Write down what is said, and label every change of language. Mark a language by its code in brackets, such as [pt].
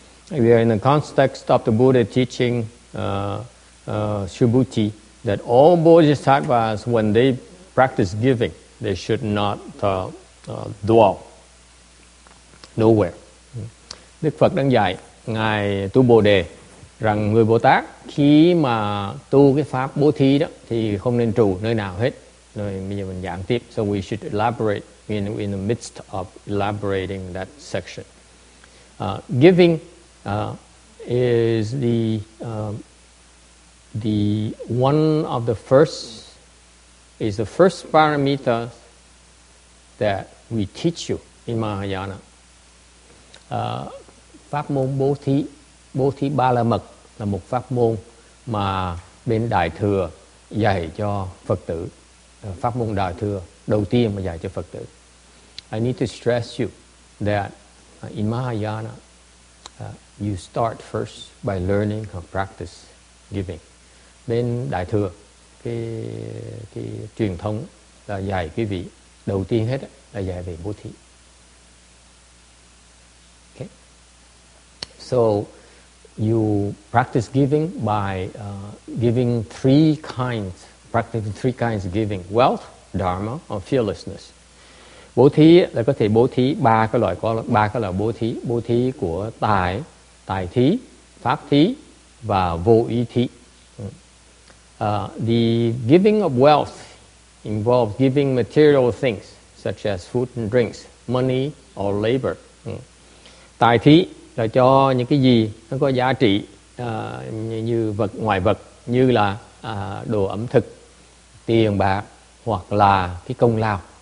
[en] We are in the context of the Buddha teaching Subhuti that all bodhisattvas, when they practice giving, they should not dwell nowhere. [vi] Đức Phật đang dạy ngài tu Bồ Đề rằng người Bồ Tát khi mà tu cái pháp bố thí đó thì không nên trụ nơi nào hết. Rồi bây giờ mình giảng tiếp. [en] So we should elaborate. In the midst of elaborating that section. Giving is the one of the first, is the first paramita that we teach you in Mahayana. [vi] Pháp môn bố thí ba la mật là một pháp môn mà bên Đại Thừa dạy cho Phật tử. Pháp môn Đại Thừa đầu tiên mà dạy cho Phật tử. [en] I need to stress you that in Mahayana, you start first by learning or practice giving. [vi] Bên Đại Thừa, cái truyền thống là dạy quý vị đầu tiên hết là dạy về bố thí. [en] Okay. So you practice giving by giving practicing three kinds of giving: wealth, dharma, or fearlessness. [vi] Bố thí là có thể bố thí ba cái loại bố thí của tài, tài thí, pháp thí và vô ý thí. [en] The giving of wealth involves giving material things such as food and drinks, money or labor. [vi] Tài thí là cho những cái gì nó có giá trị như vật ngoại vật như là đồ ẩm thực, tiền bạc hoặc là cái công lao.